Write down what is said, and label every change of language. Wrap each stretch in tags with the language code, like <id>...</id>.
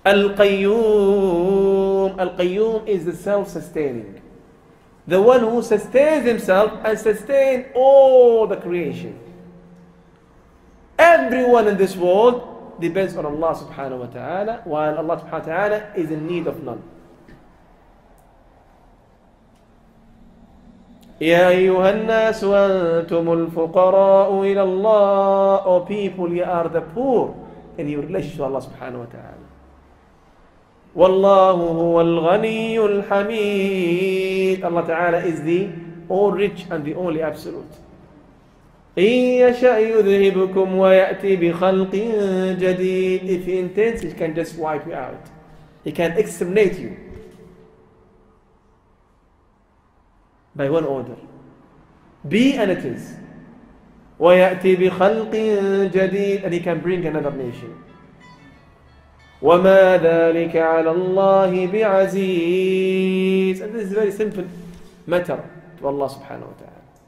<en>Al-Qayyum. Al-Qayyum is the self-sustaining. The one who sustains himself and sustains all the creation. Everyone in this world depends on Allah subhanahu wa ta'ala, while Allah subhanahu wa ta'ala is in need of none.</en> <ar>يا أيها الناس وأنتم الفقراء إلى الله.</ar> <en>O people, you are the poor in your relationship to Allah subhanahu wa ta'ala.</en> <ar>والله هو الغني الحميد.</ar> <en>Allah ta'ala is the all rich and the only absolute.</en> <ar>إن يشاء يذهبكم ويأتي بخلق جديد.</ar> <en>If he intends, he can just wipe you out. He can exterminate you. By one order. Be and it is.</en> <ar>وَيَأْتِي بِخَلْقٍ جَدِيدٍ.</ar> <en>And he can bring another nation.</en> <ar>وَمَا ذَلِكَ عَلَى اللَّهِ بِعَزِيزٍ.</ar> <en>And this is a very simple matter to Allah subhanahu wa ta'ala.</en>